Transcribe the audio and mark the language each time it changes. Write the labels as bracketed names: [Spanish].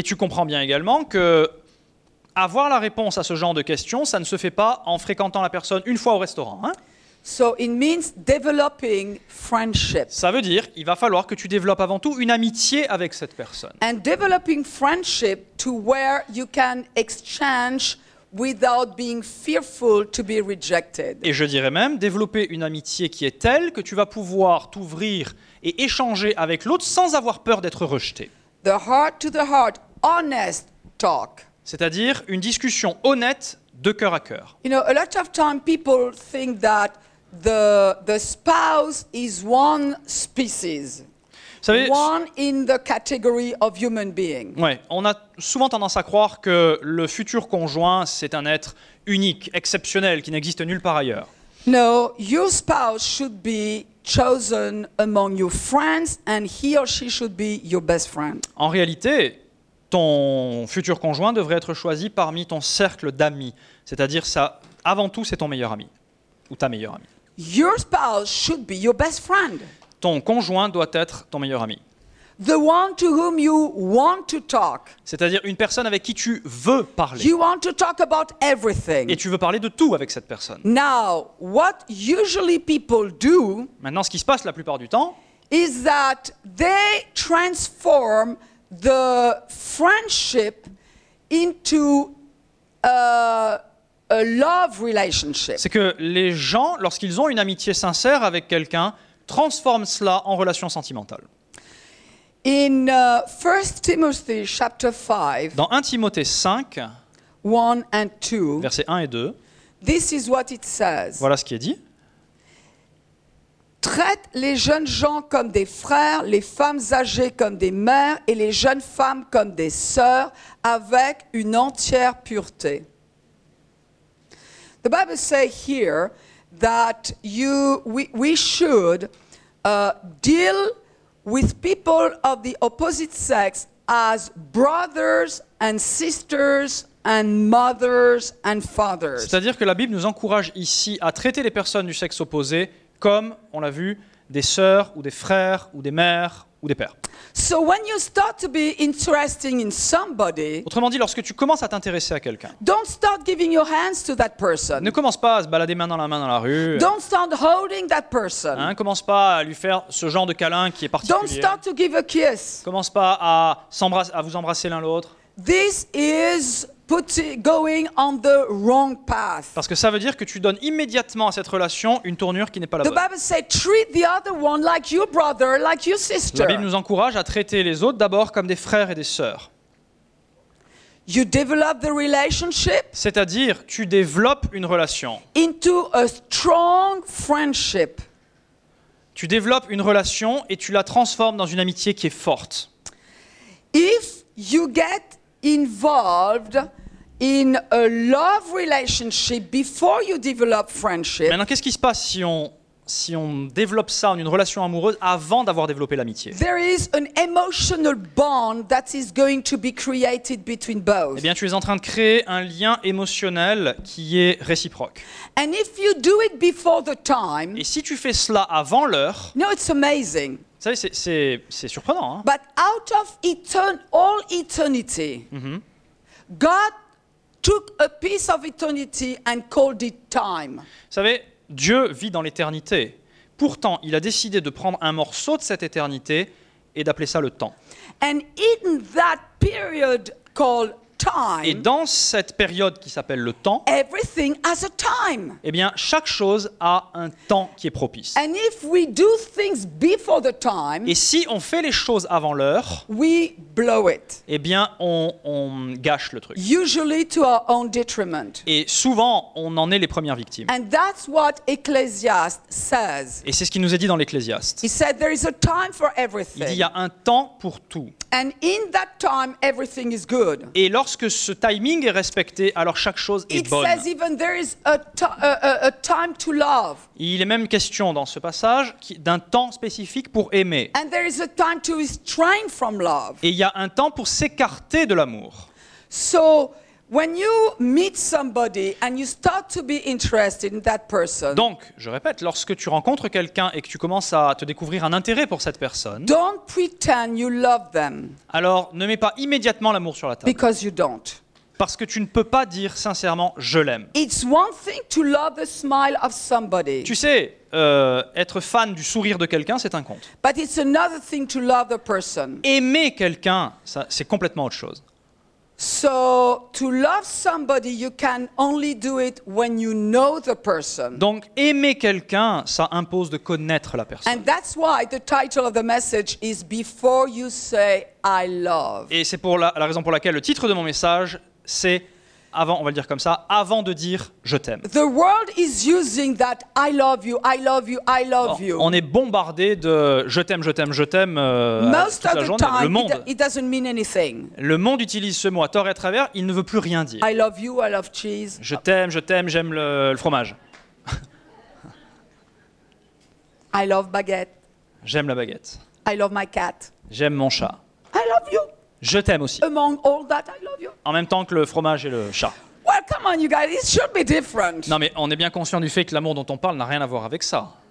[French] Et tu comprends bien également que avoir la réponse à ce genre de questions, ça ne se fait pas en fréquentant la personne une fois au restaurant, hein. [English] So it means developing friendship. [French] Ça veut dire il va falloir que tu développes avant tout une amitié avec cette personne. [English] And developing friendship to where you can exchange without being fearful to be rejected. [French] Et je dirais même développer une amitié qui est telle que tu vas pouvoir t'ouvrir et échanger avec l'autre sans avoir peur d'être rejeté. [English] The heart to the heart, honest talk. [French] C'est-à-dire une discussion honnête de cœur à cœur. [English] You know, a lot of time people think that the spouse is one species. [French] Vous savez, [English] one in the category of human being. [French] Ouais, on a souvent tendance à croire que le futur conjoint c'est un être unique, exceptionnel qui n'existe nulle part ailleurs. [English] No, your spouse should be chosen among your friends and he or she should be your best friend. [French] En réalité, ton futur conjoint devrait être choisi parmi ton cercle d'amis, c'est-à-dire ça avant tout c'est ton meilleur ami ou ta meilleure amie. [English] Your spouse should be your best friend. [French] Ton conjoint doit être ton meilleur ami. [English] The one to whom you want to talk. [French] C'est-à-dire une personne avec qui tu veux parler. [English] You want to talk about everything. [French] Et tu veux parler de tout avec cette personne. [English] Now, what usually people do? [French] Maintenant, ce qui se passe la plupart du temps, [English] is that they transform the friendship into a love relationship. [French] C'est que les gens, lorsqu'ils ont une amitié sincère avec quelqu'un, transforment cela en relation sentimentale. [English] In 1 Timothy chapter 5, [French] dans 1 Timothée 5, [English] 1 and 2, [French] versets 1 et 2, [English] this is what it says. [French] Voilà ce qui est dit. Traite les jeunes gens comme des frères, les femmes âgées comme des mères et les jeunes femmes comme des sœurs avec une entière pureté. [English] The Bible says here that we should deal with people of the opposite sex as brothers and sisters and mothers and fathers. [French] C'est-à-dire que la Bible nous encourage ici à traiter les personnes du sexe opposé comme, on l'a vu, des sœurs ou des frères ou des mères ou des pères. [English] So when you start to be interested in somebody, [French] autrement dit, lorsque tu commences à t'intéresser à quelqu'un, [English] don't start giving your hands to that person. [French] Ne commence pas à se balader main dans la main dans la rue. [English] Don't start holding that person. [French] Hein, commence pas à lui faire ce genre de câlin qui est particulier. [English] Don't start to give a kiss. [French] Commence pas à vous embrasser l'un l'autre. [English] This is going on the wrong path. [French] Parce que ça veut dire que tu donnes immédiatement à cette relation une tournure qui n'est pas la bonne. [English] The Bible says, treat the other one like your brother, like your sister. [French] La Bible nous encourage à traiter les autres d'abord comme des frères et des sœurs. [English] You develop the relationship. [French] C'est-à-dire, tu développes une relation. [English] Into a strong friendship. [French] Tu développes une relation et tu la transformes dans une amitié qui est forte. [English] If you get involved in a love relationship before you develop friendship. [French] Maintenant, qu'est-ce qui se passe si on développe ça en une relation amoureuse avant d'avoir développé l'amitié? [English] There is an emotional bond that is going to be created between both. [French] Eh bien, tu es en train de créer un lien émotionnel qui est réciproque. [English] And if you do it before the time. [French] Et si tu fais cela avant l'heure? [English] No, it's amazing. [French] Vous savez, c'est surprenant. Hein? [English] But out of all eternity, God took a piece of eternity and called it time. [French] Vous savez, Dieu vit dans l'éternité. Pourtant, il a décidé de prendre un morceau de cette éternité et d'appeler ça le temps. [English] And in that period called time, [French] et dans cette période qui s'appelle le temps, [English] everything has a time. [French] Eh bien, chaque chose a un temps qui est propice. [English] And if we do things before the time, [French] et si on fait les choses avant l'heure, [English] we blow it. [French] Eh bien, on gâche le truc. [English] Usually to our own detriment. [French] Et souvent, on en est les premières victimes. [English] And that's what Ecclesiaste says. [French] Et c'est ce qu'il nous a dit dans l'Ecclésiaste. [English] He said there is a time for everything. [French] Il dit, il y a un temps pour tout. [English] And in that time, everything is good. [French] Et lorsque ce timing est respecté, alors chaque chose est [English] It [French] bonne. [English] Says even there is a time to love. [French] Il est même question dans ce passage d'un temps spécifique pour aimer. [English] And there is a time to restrain from love. [French] Et il y a un temps pour s'écarter de l'amour. [English] So, when you meet somebody and you start to be interested in that person. [French] Donc, je répète, lorsque tu rencontres quelqu'un et que tu commences à te découvrir un intérêt pour cette personne. [English] Don't pretend you love them. [French] Alors, ne mets pas immédiatement l'amour sur la table. [English] Because you don't. [French] Parce que tu ne peux pas dire sincèrement je l'aime. [English] It's one thing to love the smile of somebody. [French] Tu sais, être fan du sourire de quelqu'un, c'est un conte. [English] But it's another thing to love the person. [French] Aimer quelqu'un, ça, c'est complètement autre chose. [English] So to love somebody, you can only do it when you know the person. [French] Donc aimer quelqu'un, ça impose de connaître la personne. [English] And that's why the title of the message is "Before you say I love." [French] Et c'est pour la raison pour laquelle le titre de mon message c'est avant, on va le dire comme ça, avant de dire je t'aime. [English] The world is using that I love you, I love you, I love you. [French] On est bombardé de je t'aime, je t'aime, je t'aime toute la journée. [English] Time, [French] le monde. [English] It doesn't mean anything. [French] Le monde utilise ce mot à tort et à travers, il ne veut plus rien dire. [English] I love you, I love cheese. [French] Je t'aime, j'aime le fromage. [English] I love baguette. [French] J'aime la baguette. [English] I love my cat. [French] J'aime mon chat. [English] I love you. [French] Je t'aime aussi. [English] Among all that, I love you. [French] En même temps que le fromage et le chat. [English] Well, come on, you guys, it should be different. [French] Non, mais on est bien conscient du fait que l'amour dont on parle n'a rien à voir avec ça.